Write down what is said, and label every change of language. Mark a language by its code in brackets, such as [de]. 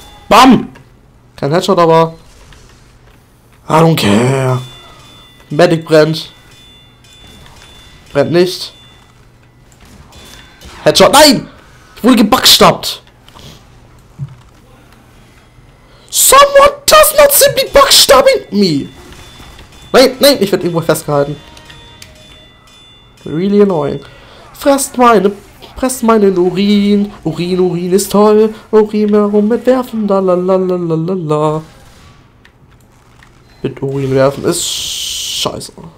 [de] Bam! Kein Headshot, aber... [en] I don't care. [de] Medic brennt. Brennt nicht. Headshot, nein! Ich wurde gebackstabbt. [en] Someone does not simply backstabbing me. [de] Nein, nein, ich werde irgendwo festgehalten. [en] Really annoying. [de] Fress meinen Urin. Urin ist toll. Urin herum mit werfen. Da la la la la la la. Mit Urin werfen ist scheiße.